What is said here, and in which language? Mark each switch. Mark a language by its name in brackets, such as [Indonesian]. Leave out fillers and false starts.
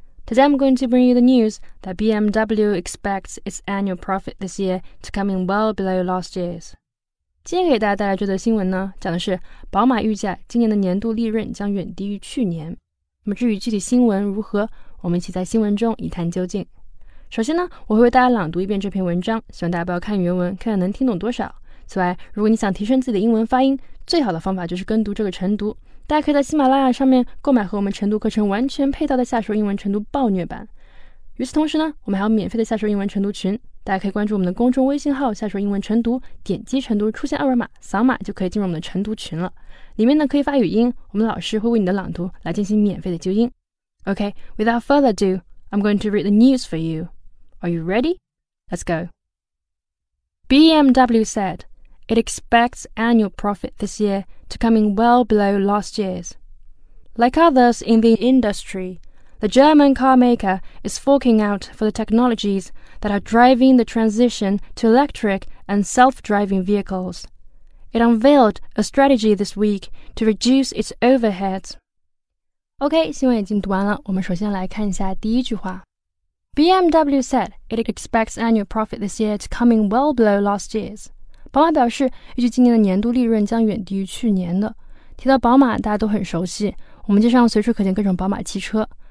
[English] Today I'm going to bring you the news that BMW expects its annual profit this year to come in well below last year's. [Chinese] 今天给大家带来这则新闻呢，讲的是宝马预计今年的年度利润将远低于去年。那么至于具体新闻如何，我们一起在新闻中一探究竟。首先呢，我会为大家朗读一遍这篇文章，希望大家不要看原文，看看能听懂多少。此外，如果你想提升自己的英文发音，最好的方法就是跟读这个晨读。大家可以在喜马拉雅上面购买和我们晨读课程完全配套的夏说英文晨读暴虐版。与此同时呢，我们还有免费的夏说英文晨读群，大家可以关注我们的公众微信号夏说英文晨读，点击晨读出现二维码，扫码就可以进入我们的晨读群了。里面呢可以发语音，我们老师会为你的朗读来进行免费的纠音。 [English] OK, without further ado, I'm going to read the news for you. Are you ready? Let's go. BMW saidIt expects annual profit this year to come in well below last year's. Like others in the industry, the German carmaker is forking out for the technologies that are driving the transition to electric and self-driving vehicles. It unveiled a strategy this week to reduce its overheads. [Chinese] OK, 新闻已经读完了，我们首先来看一下第一句话。 [English] BMW said it expects annual profit this year to come in well below last year's. [Chinese] 宝马表示预计今年的年度利润将远低于去年的。提到宝马大家都很熟悉，我们街上随处可见各种宝马汽车。